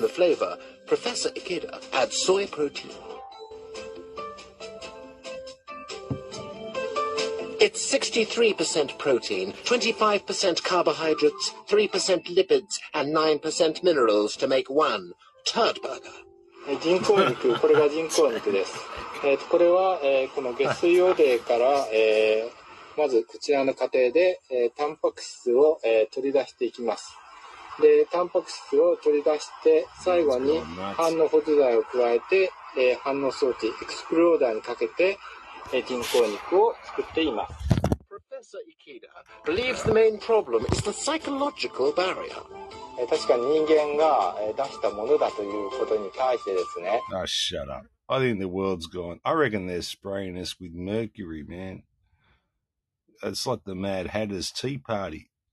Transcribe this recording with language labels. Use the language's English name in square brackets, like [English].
[English] The flavor, Professor Ikeda adds soy protein. It's 63% protein, 25% carbohydrates, 3% lipids, and 9% minerals to make one turd burger. [Japanese] 人工肉、これが人工肉です。これは、この下水汚泥から、まずこちらの過程で、タンパク質を、取り出していきます。で、タンパク質を取り出して、最後に反応補助剤を加えて、反応装置、エクスプローダーにかけて、人工肉を作っています。 [English] Professor Ikeda believes the main problem is the psychological barrier. Oh, shut up. I think the world's gone. I reckon they're spraying us with mercury, man. It's like the Mad Hatter's Tea Party.